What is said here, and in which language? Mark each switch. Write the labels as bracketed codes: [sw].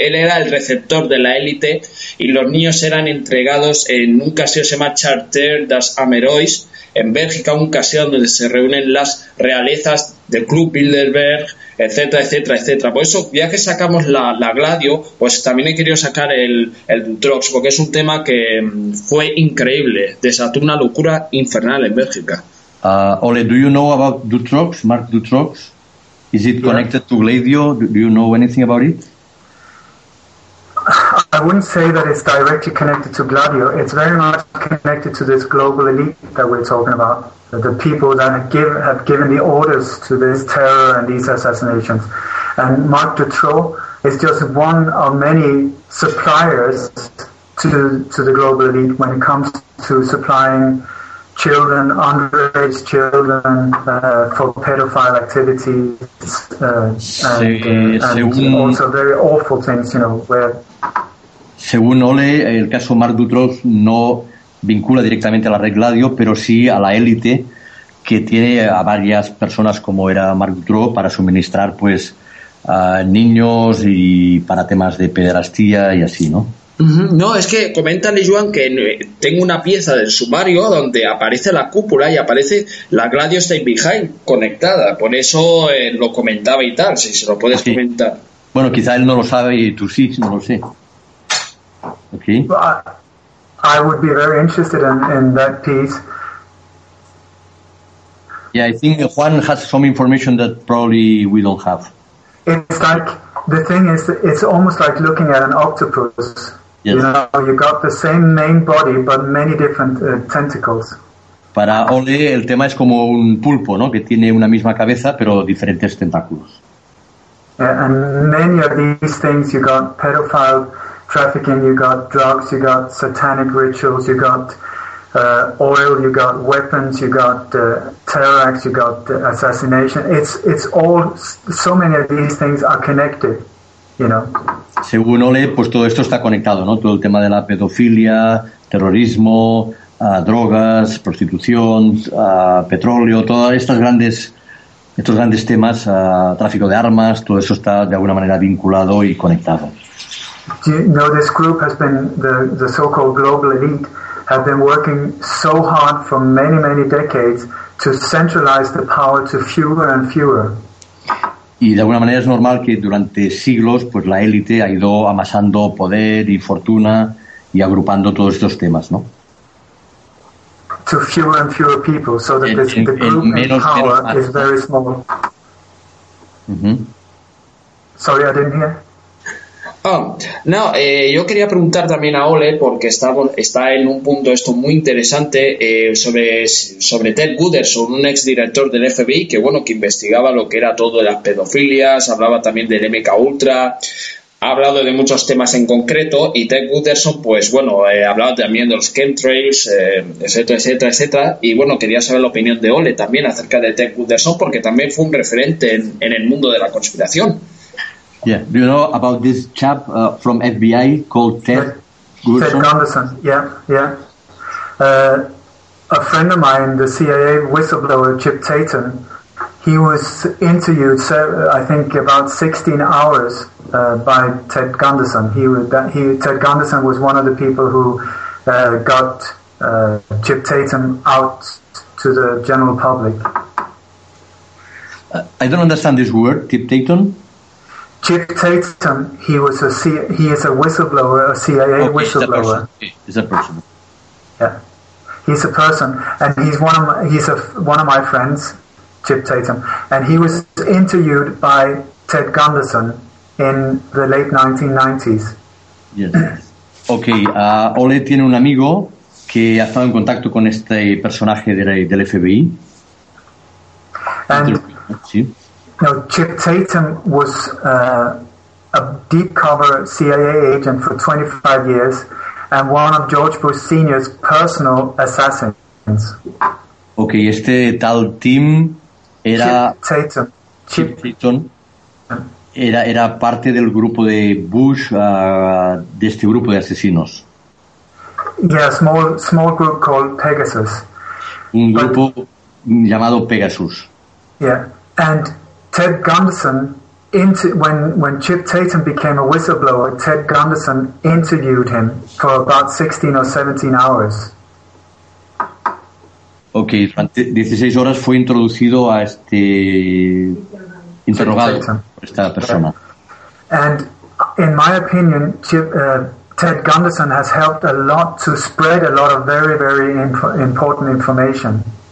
[es] Él era el receptor de la élite y los niños eran entregados en un castillo que se llama Charter das Amerois en Bélgica, un castillo donde se reúnen las realezas del Club Bilderberg, etcétera, etcétera, etcétera. Por eso, ya que sacamos la Gladio, pues también he querido sacar el Dutroux, porque es un tema que fue increíble, desató una locura infernal en Bélgica. [en] Ole, do you know about Dutroux, Mark Dutroux? Is it connected to Gladio? Do you know anything about it? I wouldn't say that it's directly connected to Gladio. It's very much connected to this global elite that we're talking about, the people that have given the orders to this terror and these assassinations. And Mark Dutroux is just one of many suppliers to the global elite when it comes to supplying children, underage children, for pedophile activities, and also very awful things, you know, where... [es] Según Ole, el caso Mark Dutroux no vincula directamente a la red Gladio, pero sí a la élite que tiene a varias personas como era Mark Dutroux para suministrar, pues, a niños y para temas de pederastía y así, ¿no? No, es que coméntale, Joan, que tengo una pieza del sumario donde aparece la cúpula y aparece la Gladio Stay Behind conectada. Por eso lo comentaba y tal, si se lo puedes comentar. Bueno, quizá él no lo sabe y tú sí, no lo sé. [en] Okay. I would be very interested in that piece. Yeah, I think Juan has some information that probably we don't have. It's like, the thing is, it's almost like looking at an octopus. Yes. You know, you got the same main body, but many different tentacles. [es] Para Ole, el tema es como un pulpo, ¿no?, que tiene una misma cabeza, pero diferentes tentáculos. [en] Yeah, and many of these things, you got pedophile trafficking, you got drugs, you got satanic rituals, you got oil, you got weapons, you got terror acts, you got assassination. It's all, so many of these things are connected, you know. [es] Según Ole, pues todo esto está conectado, ¿no? Todo el tema de la pedofilia, terrorismo, drogas, prostitución, petróleo, todas estas grandes, estos grandes temas, tráfico de armas, todo eso está de alguna manera vinculado y conectado. [en] Do you know this group has been, the so-called global elite, have been working so hard for many, many decades to centralize the power to fewer and fewer. [es] Y de alguna manera es normal que durante siglos, pues la élite ha ido amasando poder y fortuna y agrupando todos estos temas, ¿no? [en] to fewer and fewer people, so that the group in power is very small. Sorry, I didn't hear. [es] Yo quería preguntar también a Ole, porque está en un punto esto muy interesante, sobre Ted Gooderson, un exdirector del FBI, que bueno, que investigaba lo que era todo de las pedofilias, hablaba también del MK Ultra, ha hablado de muchos temas en concreto, y Ted Gooderson, pues bueno, hablaba también de los chemtrails, etcétera, etcétera, etcétera, y bueno, quería saber la opinión de Ole también acerca de Ted Gooderson, porque también fue un referente en el mundo de la conspiración. [en] Yeah, do you know about this chap from FBI called Ted Gooderson? Ted Gooderson, yeah. A friend of mine, the CIA whistleblower Chip Tatum, he was interviewed, I think, about 16 hours by Ted Gooderson. Ted Gooderson was one of the people who got Chip Tatum out to the general public. I don't understand this word, Chip Tatum. Chip Tatum, he is a whistleblower, a CIA whistleblower. He's a person. Yeah, he's a person, and he's one of my friends, Chip Tatum, and he was interviewed by Ted Gooderson in the late 1990s. Yes. Okay. [es] Ole tiene un amigo que ha estado en contacto con este personaje del FBI. [en] No, Chip Tatum was a deep cover CIA agent for 25 years and one of George Bush Sr.'s personal assassins. [es] Okay, este tal Tim era... Chip Tatum. Era parte del grupo de Bush, de este grupo de asesinos. [en] Yeah, small group called Pegasus. [es] Un grupo llamado Pegasus. [en] Yeah, and... Ted Gooderson, when Chip Tatum became a whistleblower, Ted Gooderson interviewed him for about 16 or 17 hours. [es] Okay, durante 16 horas fue introducido a este interrogado por esta persona. [en] And in my opinion, Ted Gooderson has helped a lot to spread a lot of very, very important information.